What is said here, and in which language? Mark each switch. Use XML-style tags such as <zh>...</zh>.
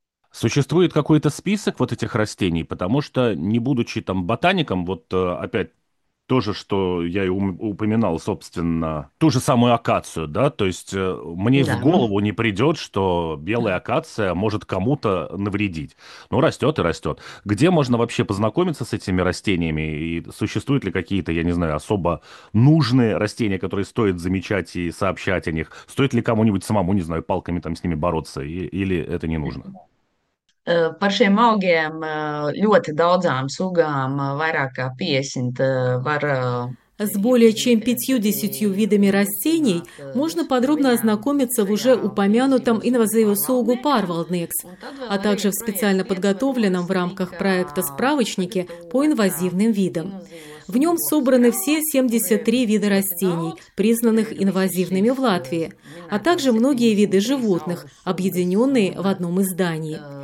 <ru>Существует какой-то список вот этих растений, потому что, не будучи там ботаником, вот опять то же, что я и упоминал, собственно, ту же самую акацию, да, то есть мне в голову не придет, что белая акация может кому-то навредить. Но растет и растет. Где можно вообще познакомиться с этими растениями? И существуют ли какие-то, я не знаю, особо нужные растения, которые стоит замечать и сообщать о них? Стоит ли кому-нибудь самому, не знаю, палками там с ними бороться? Или это не нужно?</ru> <lv>Par šiem augiem ļoti daudzām sugām, vairāk kā 50, var.</lv> <ru>С более чем 50 видами растений можно подробно ознакомиться в уже упомянутом инвазивосугу Парвалднекс, а также в специально подготовленном в рамках проекта справочнике по инвазивным видам. В нем собраны все 73 вида растений, признанных инвазивными в Латвии, а также многие виды животных, объединенные в одном издании.</ru>